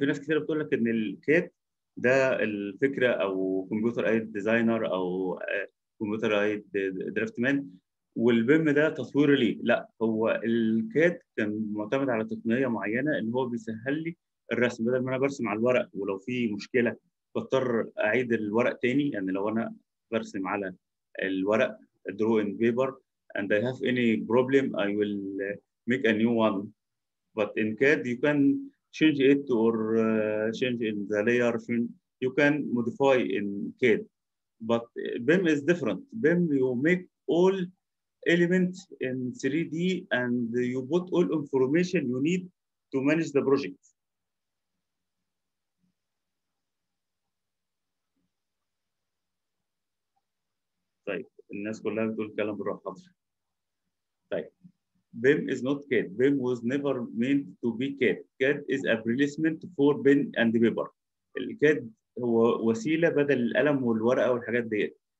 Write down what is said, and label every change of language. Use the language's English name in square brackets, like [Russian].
[Arabic] في ناس كتير بتقول لك ان الكات ده الفكره او كمبيوتر ايد ديزاينر او كمبيوتر ايد درافت مان، والبيم ده تصوير ليه. لا، هو الكات كان معتمد على تقنيه معينه ان هو بيسهل لي الرسم، بدل ما انا برسم على الورق ولو في مشكله بضطر اعيد الورق تاني. يعني لو انا برسم على الورق [English] drawing paper and I have any problem I will make a new one, but in CAD you can change it or change in the layer, you can modify in CAD. but BIM is different. BIM, you make all elements in 3D and you put all information you need to manage the project. [Arabic] طيب الناس كلها بتقول كلام بروح حاضر. [English] طيب BIM is not CAD. BIM was never meant to be CAD. CAD is a replacement for pen and paper. [Arabic] CAD هو وسيلة بدل القلم والورقة والحاجات ديت.